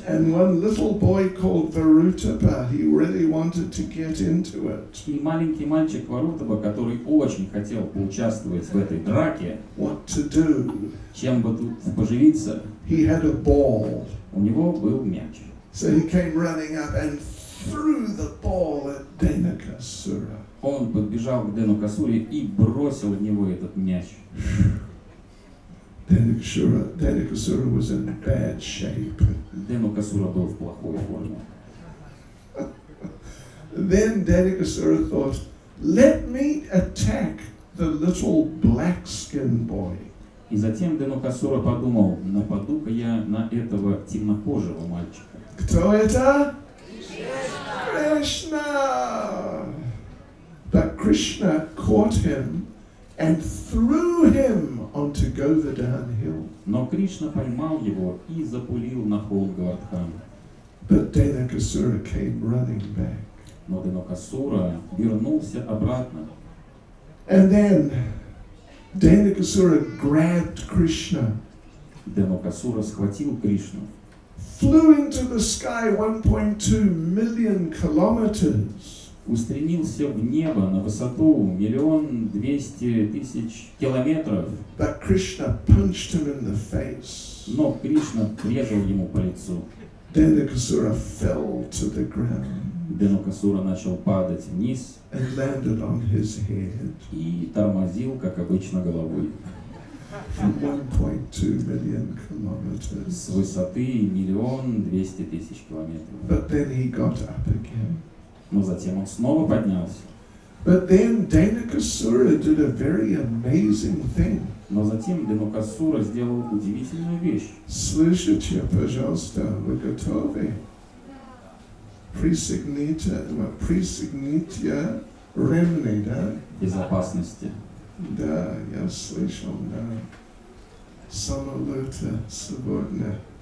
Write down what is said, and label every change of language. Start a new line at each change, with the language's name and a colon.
English: And one little boy called Varutapa, he really wanted to get into it.
Russian: И маленький мальчик Варутапа, который очень хотел поучаствовать в этой драке.
English: What to do?
Russian: Чем бы тут поживиться?
English: He had a ball.
Russian: У него был мяч.
English: So he came running up and threw the ball at Denakasura.
Russian: Он подбежал к Денакасуре и бросил в него этот мяч.
English: Денакасура was in bad shape.
Russian: Денакасура был в плохой форме.
English: Then Denakasura thought, "Let me attack the little black-skinned boy."
Russian: И затем Денакасура подумал, нападу-ка я на этого темнокожего мальчика. Кто это? Кришна! Кришна!
English: But Krishna caught him and threw him onto Govardhan Hill.
Russian: Но Кришна поймал его и запулил на холм Говардхан.
English: But Денакасура came running back.
Russian: Но Денакасура вернулся обратно.
English: And then Denakasura grabbed Krishna.
Russian: Денакасура схватил Кришну.
English: Flew into the sky 1.2 million kilometers.
Russian: Устремился в небо на высоту 1,200,000 километров.
English: But Krishna punched him in the face.
Russian: Но Кришна врезал ему по лицу.
English: Денакасура fell to the ground.
Russian: Денакасура начал падать вниз.
English: And landed on his head.
Russian: И тормозил, как обычно, головой.
English: From 1.2 million kilometers.
Russian: С высоты 1,200,000 километров.
English: But then he got up again.
Russian: Но затем он снова поднялся.
English: But then Denakasura did a very amazing thing.
Russian: Но затем Денакасура сделал удивительную вещь. Слышите, пожалуйста, вы готовы? Присигнитья ремни, да? Безопасности. Да, я слышал, да. Самолета сегодня.